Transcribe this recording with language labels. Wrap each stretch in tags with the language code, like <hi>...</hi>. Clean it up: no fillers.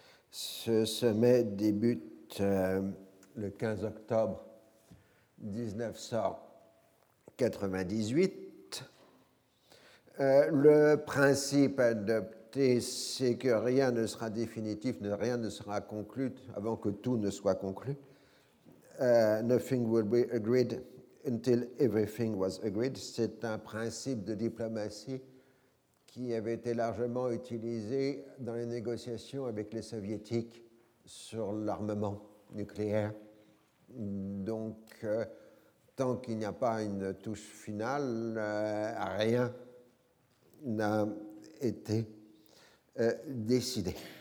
<fr>Ce sommet débute le 15 octobre 1998. Le principe adopté, c'est que rien ne sera définitif, rien ne sera conclu avant que tout ne soit conclu.</fr> <en>Nothing will be agreed until everything was agreed.</en> <fr>C'est un principe de diplomatie qui avait été largement utilisé dans les négociations avec les Soviétiques sur l'armement nucléaire. Donc, tant qu'il n'y a pas une touche finale, rien n'a été décidé.</fr>